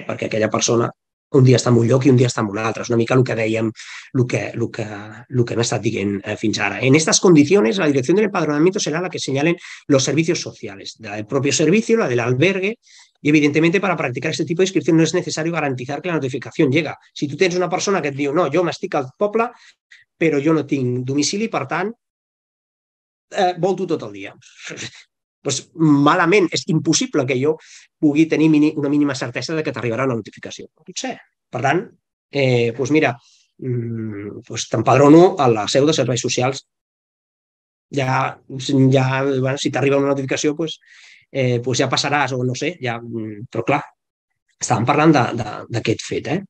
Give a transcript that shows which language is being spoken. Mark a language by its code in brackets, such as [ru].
[ca] Perquè aquella persona un dia està en un lloc i un dia està en un altre. És una mica el que dèiem, el que hem estat dient fins ara. [es] En estas condiciones, la dirección del empadronamiento será la que señalen los servicios sociales, del propio servicio, la del albergue. Y evidentemente para practicar este tipo de inscripción no es necesario garantizar que la notificación llega. Si tú tienes una persona que te dice, no, yo me estoy [ca] al poble, [es] pero yo no tengo domicilio, por tanto, [ca] volto [es] todo el día. Pues malamente, es imposible que yo [ca] pugui [es] tener una mínima certeza de que te [ca] arribará [es] la notificación. No sé. Por tanto, pues mira, pues te empadrono [ca] a la seu de serveis socials. [es] Ya, bueno, si te [ca] arriba [es] una notificación, pues... [ca] pues ja passaràs, o no sé, ja, però clar, estàvem parlant d'aquest fet.